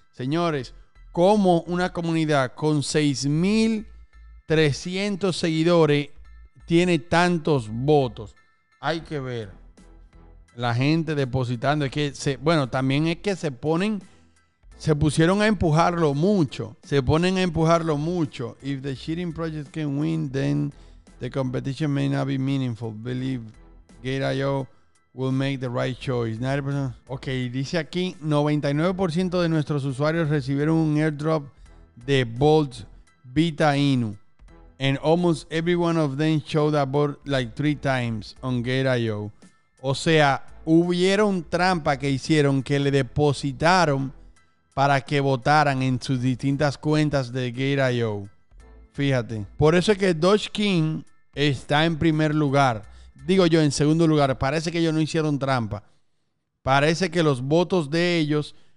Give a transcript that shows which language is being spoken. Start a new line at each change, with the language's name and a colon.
Spanish: Señores, ¿cómo una comunidad con 6,300 seguidores tiene tantos votos? Hay que ver la gente depositando. Es que también es que se pusieron a empujarlo mucho. Se ponen a empujarlo mucho.
English: If the cheating project can win, then the competition may not be meaningful. Believe Gate.io will make the right choice. 90%.
Spanish: Ok, dice aquí, 99% de nuestros usuarios recibieron un airdrop de Bolt Beta Inu.
English: And almost every one of them showed up like 3 times on Gate.io.
Spanish: O sea, hubieron trampa que hicieron, que le depositaron para que votaran en sus distintas cuentas de Gate.io. Fíjate. Por eso es que Dogecoin está en primer lugar. Digo yo, en segundo lugar, parece que ellos no hicieron trampa. Parece que los votos de ellos